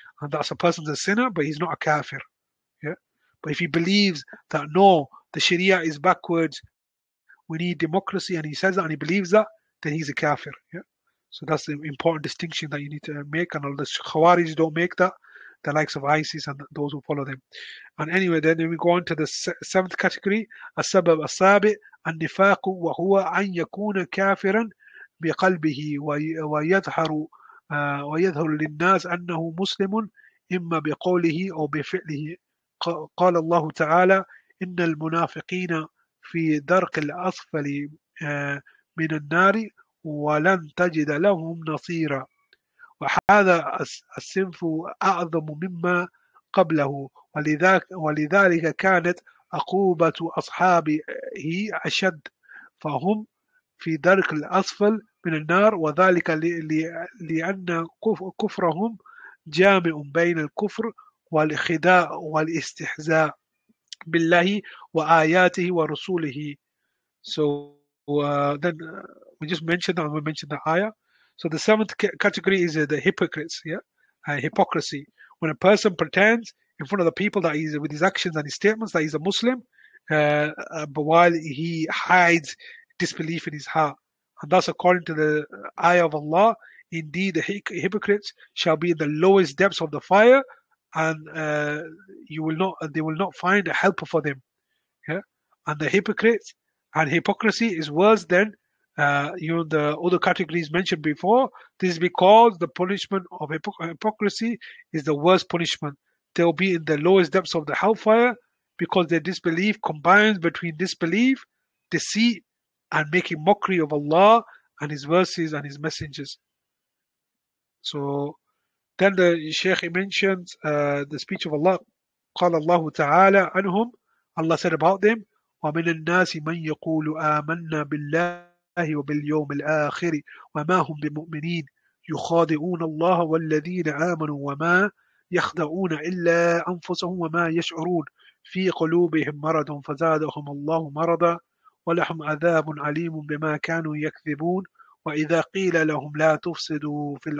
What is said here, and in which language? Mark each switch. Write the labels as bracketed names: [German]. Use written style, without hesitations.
[English] And that's a person's a sinner, but he's not a kafir. Yeah. But if he believes that, no, the Sharia is backwards, we need democracy, and he says that and he believes that, then he's a kafir. Yeah. So that's the important distinction that you need to make. And all the Khawarij don't make that. The likes of ISIS and those who follow them. And anyway, then we go on to the seventh category, [Arabic] السبب السابع النفاق وهو أن يكون كافرا بقلبه ويظهر للناس أنه مسلم إما بقوله أو بفعله. قال الله تعالى إن المنافقين في درك الأسفل من النار ولن تجد لهم نصيرا. وهذا الصنف أعظم مما قبله، ولذلك كانت عقوبة أصحابه أشد، فهم في درك الأسفل من النار، وذلك لأن كفرهم جامع بين الكفر والخداع والاستهزاء بالله وآياته ورسوله. [English] So then we just mentioned that, we mentioned the ayah. So the seventh category is the hypocrites, hypocrisy. When a person pretends in front of the people that he's with his actions and his statements that he's a Muslim, but while he hides disbelief in his heart. And thus, according to the ayah of Allah, indeed the hypocrites shall be in the lowest depths of the fire, and they will not find a helper for them. Yeah? And the hypocrites and hypocrisy is worse than you know, the other categories mentioned before. This is because the punishment of hypocrisy is the worst punishment. They'll be in the lowest depths of the hellfire because their disbelief combines between disbelief, deceit, and making mockery of Allah and His verses and His messengers. So then the Sheikh mentions the speech of Allah. [Arabic] قال الله تعالى عنهم. [English] Allah said about them, [Arabic] ومن الناس من يقول آمنا بالله وباليوم الآخر وما هم بمؤمنين يخادعون الله والذين آمنوا وما يخدعون إلا أنفسهم وما يشعرون في قلوبهم مرض فزادهم الله مرضا ولهم عذاب أليم بما كانوا يكذبون وإذا قيل لهم لا تفسدوا